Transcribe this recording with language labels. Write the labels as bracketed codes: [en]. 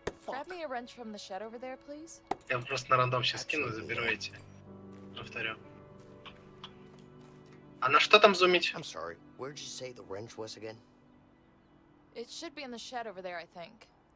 [en] Grab me a wrench from the shed over there, please. [ru] Я просто на рандом сейчас кину, заберу эти. Повторю. А на что там зумить? [en] I'm sorry. Where did you say the wrench was again? It should be in the shed over there, I think.